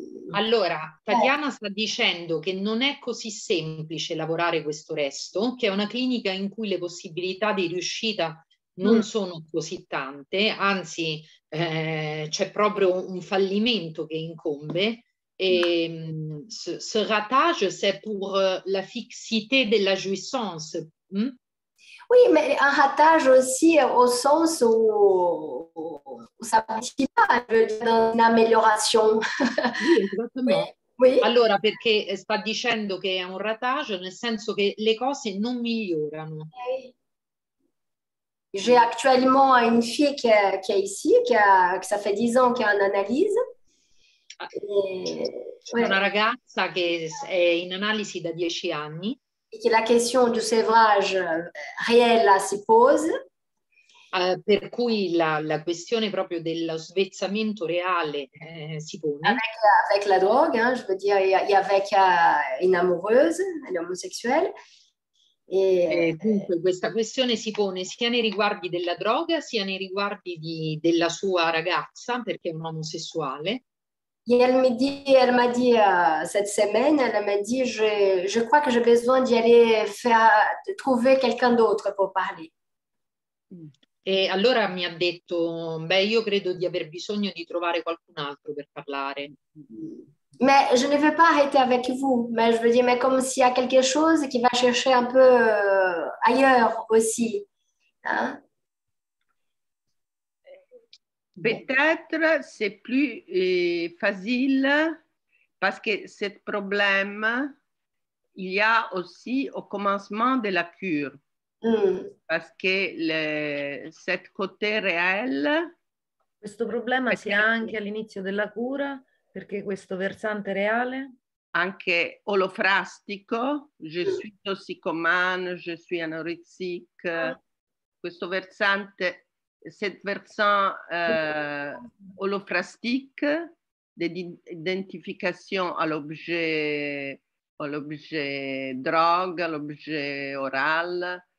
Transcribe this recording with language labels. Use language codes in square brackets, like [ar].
[it] Allora, Tatiana sta dicendo che non è così semplice lavorare questo resto, che è una clinica in cui le possibilità di riuscita non sono così tante, anzi c'è proprio un fallimento che incombe. [fr] E ce ratage, c'est pour la fixité de la jouissance. Oui, mais un ratage aussi au sens où ça participe à une amélioration. Oui, exactement. Oui. [it] Allora, perché sta dicendo che è un ratage, nel senso che le cose non migliorano. Okay. [fr] J'ai actuellement une fille qui est ici, che ça fait 10 ans qu'elle en analyse. [it] C'è una ragazza che è in analisi da 10 anni. E che [fr] la question du sevrage réelle si pose. [it] Per cui la questione proprio dello svezzamento reale si pone. [fr] Avec la drogue, hein, je veux dire, et avec une amoureuse, l'homosexuelle. [it] Dunque, questa questione si pone sia nei riguardi della droga, sia nei riguardi della sua ragazza, perché è un omosessuale. [fr] Et elle m'a dit cette semaine, elle m'a dit je crois que j'ai besoin d'y aller faire trouver quelqu'un d'autre pour parler. [it] E allora mi ha detto beh, io credo di aver bisogno di trovare qualcun altro per parlare. [fr] Mais je ne veux pas arrêter avec vous, mais je veux dire mais comme s'il y a quelque chose qui va chercher un peu ailleurs aussi. Hein? Peut-être c'est plus facile parce que ce problème il y a aussi au commencement de la cure. Mm. Parce que cette côté réel. [it] Questo problema si ha anche all'inizio della cura, perché questo versante reale. Anche olofrastico, [fr] je suis toxicomane, je suis anorexique. [it] Questo versante. [fr] Cette versant holophrastique d'identification à l'objet drogue, à l'objet oral.